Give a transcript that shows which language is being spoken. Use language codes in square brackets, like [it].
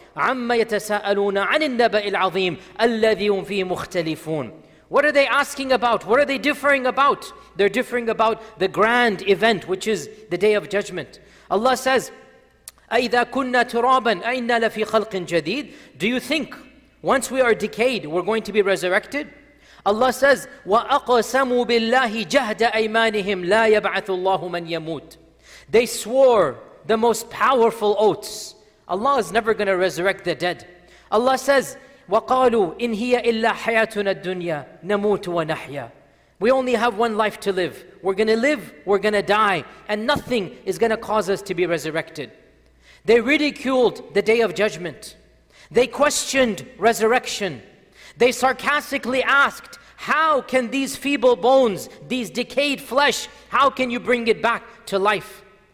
[ar] عَمَّ يَتَسَأَلُونَ عَنِ النَّبَإِ الْعَظِيمِ الَّذِي هُمْ فِيهِ مُخْتَلِفُونَ. [en] What are they asking about? What are they differing about? They're differing about the grand event, which is the Day of Judgment. Allah says, [ar] أَإِذَا كُنَّا تُرَابًا أَإِنَّا لَفِي خَلْقٍ جَدِيدٍ. [en] Do you think once we are decayed, we're going to be resurrected? Allah says, [ar] وَأَقْسَمُوا بِاللَّهِ جَهْدَ أَيْمَانِهِمْ لَا يَبْعَثُ اللَّهُ مَنْ يَمُوتٍ. [en] They swore the most powerful oaths. Allah is never going to resurrect the dead. Allah says, [ar] وَقَالُوا إِنْ هِيَ إِلَّا حَيَاتُنَا الدُّنْيَا نَمُوتُ وَنَحْيَا. [en] We only have one life to live. We're going to live, we're going to die, and nothing is going to cause us to be resurrected. They ridiculed the Day of Judgment. They questioned resurrection. They sarcastically asked, how can these feeble bones, these decayed flesh, how can you bring it back to life?